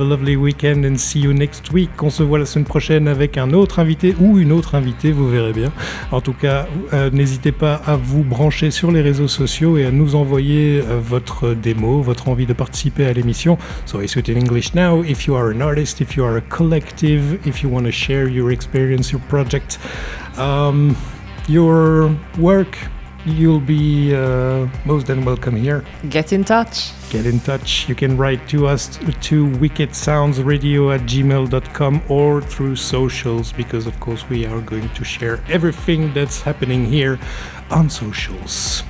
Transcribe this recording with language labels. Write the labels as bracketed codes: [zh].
[en] a lovely weekend and see you next week. [fr] On se voit la semaine prochaine avec un autre invité ou une autre invitée, vous verrez bien. En tout cas, n'hésitez pas à vous brancher sur les réseaux sociaux et à nous envoyer votre démo, votre envie de participer à l'émission. [en] So I speak in English now. If you are an artist, if you are a collective, if you want to share your experience, your project, your work, you'll be most than welcome here. Get in touch. You can write to us to wickedsoundsradio@gmail.com or through socials, because of course we are going to share everything that's happening here on socials.